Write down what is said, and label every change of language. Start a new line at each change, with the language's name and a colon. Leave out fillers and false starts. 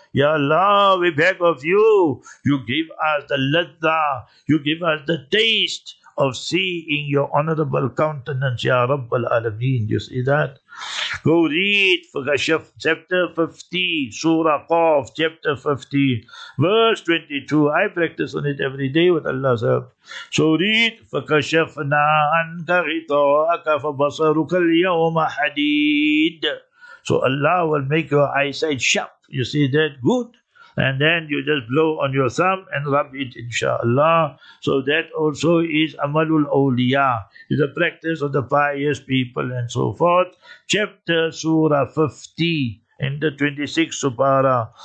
English: Ya Allah, we beg of you, you give us the ladha, you give us the taste of seeing your honorable countenance, Ya Rabbal Alameen. You see that? Go read chapter 50, Surah Qaf, chapter 50, verse 22. I practice on it every day with Allah's help. So read,
Arabic: فَكَشَفْنَا عَنْكَ غِطَاءَكَ فَبَصَرُكَ الْيَوْمَ حَدِيدٌ.
English: So Allah will make your eyesight sharp. You see that? Good. And then you just blow on your thumb and rub it, inshallah. So that also is Amalul Awliya, is the practice of the pious people and so forth. Chapter Surah 50 in the 26th Supara.